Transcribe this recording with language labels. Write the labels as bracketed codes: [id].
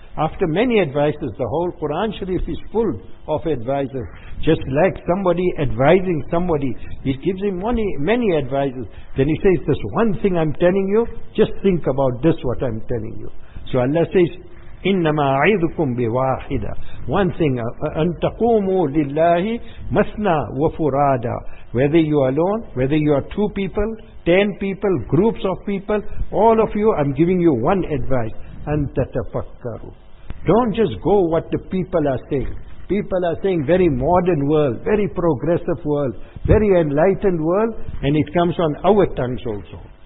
[en] After many advices, the whole Quran Sharif is full of advices. Just like somebody advising somebody, it gives him many advices. Then he says, this one thing I'm telling you, just think about this what I'm telling you. So Allah says, [ar] إِنَّمَا أَعِذُكُمْ بِوَاحِدًا. [en] One thing, [ar] أَن تَقُومُوا لِلَّهِ مَثْنَى وَفُرَادًا. [en] Whether you are alone, whether you are two people, 10 people, groups of people, all of you, I'm giving you one advice. Antatafakkaru. Don't just go what the people are saying. People are saying very modern world, very progressive world, very enlightened world, and it comes on our tongues also.